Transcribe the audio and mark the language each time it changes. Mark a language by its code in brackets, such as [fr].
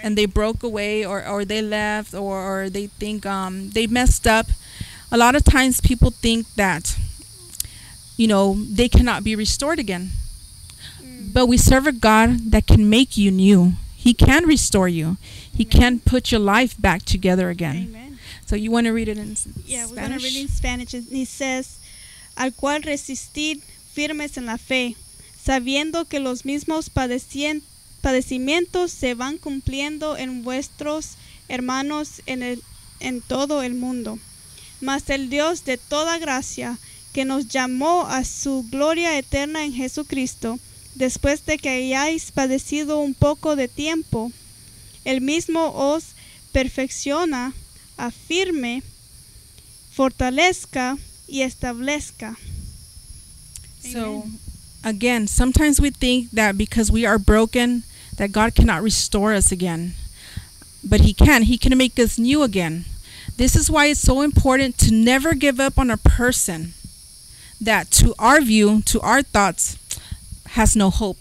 [en] and they broke away, or they left, or they think they messed up, a lot of times people think that, you know, they cannot be restored again. But we serve a God that can make you new. He can restore you. He Amen. Can put your life back together again. Amen. So you want to read it in Spanish? Yeah, we're going to read it in Spanish. [es] It says, al cual resistid firmes en la fe, sabiendo que los mismos padecimientos se van cumpliendo en vuestros hermanos en todo el mundo. Mas el Dios de toda gracia, que nos llamó a su gloria eterna en Jesucristo, después de que hayáis padecido un poco de tiempo, el mismo os perfecciona, afirme, fortalezca y establezca. [en] Amen. So, again, sometimes we think that because we are broken, that God cannot restore us again. But he can. He can make us new again. This is why it's so important to never give up on a person that to our view, to our thoughts, has no hope.